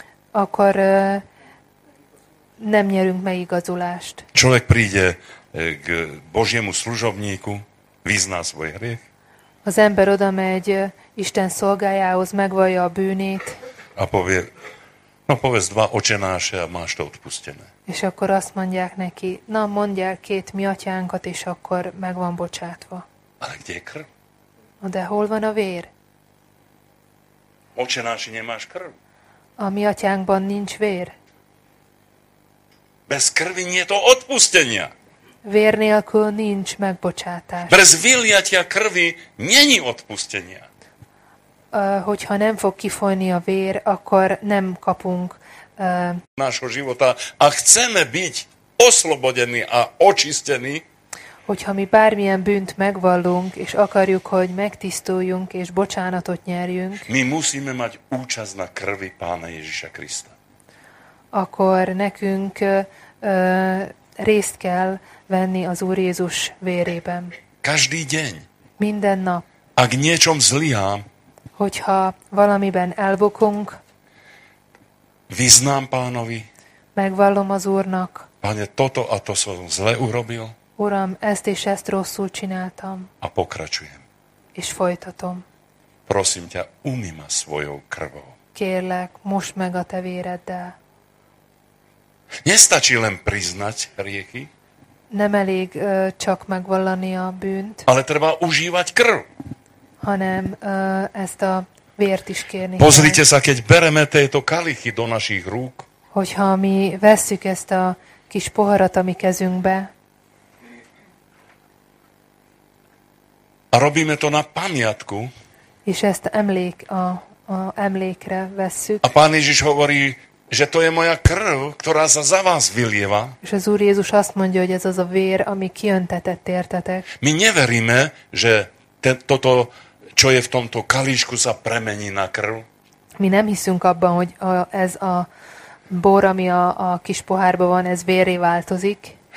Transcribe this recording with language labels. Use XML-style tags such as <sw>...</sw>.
<hu>Akkor nem nyerünk megigazulást.</hu> <sk>Človek príde k Božiemu služobníku, vyzná svoj hriech.</sk> <hu>Az ember oda megy Isten szolgájához, megvallja a bűnét.</hu> <sk>A povie, no povedz dva očenáše a máš to odpustené.</sk> <hu>És akkor azt mondják neki, na mondjál két mi atyánkat, és akkor meg van bocsátva.</hu> <sk>Ale kde je krv?</sk> <hu>De hol van a vér?</hu> <sk>Očenáši nemáš krv?</sk> <hu>A mi atyánkban nincs vér.</hu> <sk>Bez krvi nie je to odpustenia.</sk> <hu>Vér nélkül nincs megbocsátás.</hu> <sk>Bez vyliatia krvi není odpustenia.</sk> <hu>Hogyha nem fog kifolyni a vér, akkor nem kapunk</hu> <sk>nášho života. A chceme byť oslobodení a očistení.</sk> <hu>Hogyha mi bármilyen bűnt megvallunk, és akarjuk, hogy megtisztuljunk és bocsánatot nyerjünk.</hu> <sk>Mi musíme mať účasť na krvi Pána Ježiša Krista.</sk> <hu>Akkor nekünk részt kell venni az Úr Jézus vérében.</hu> <sk>Každý deň.</sk> <hu>Minden nap.</hu> <sk>Ak niečom zlyhám,</sk> <hu>hogyha valamiben elbukunk,</hu> <sk>vyznám Pánovi,</sk> <hu>megvallom az Úrnak,</hu> <sk>Pane, toto a to som zle urobil,</sk> <hu>Uram, ezt és ezt rosszul csináltam,</hu> <sk>a pokračujem,</sk> <hu>és folytatom.</hu> <sk>Prosím ťa, umy ma svojou krvou.</sk> <hu>Kérlek, mosd meg a te véreddel.</hu> <sk>Nestačí len priznať hriechy,</sk> <hu>nem elég csak megvallani a bűnt,</hu> <sk>ale treba užívať krv,</sk> <hu>hanem ezt a vért is kérni.</hu> <sk>Pozrite sa, keď bereme tieto kalichy do našich rúk,</sk> <hu>hogyha mi vesszük ezt a kis poharat a mi kezünkbe,</hu> <sk>a robíme to na pamiatku,</sk> <hu>és ezt a emlékre vesszük,</hu> <sk>a Pán Ježiš hovorí, že to je moja krv, ktorá sa za vás vylieva.</sk> <hu>És az Úr Jézus azt mondja, hogy ez az a vér, ami kiöntetett értetek.</hu> <sk>My neveríme, že toto, čo je v tomto kalíšku, sa premení na krv.</sk> <hu>Mi nem hiszünk abban, hogy ez a bor, ami a kis pohárban van, ez vérré változik.</hu>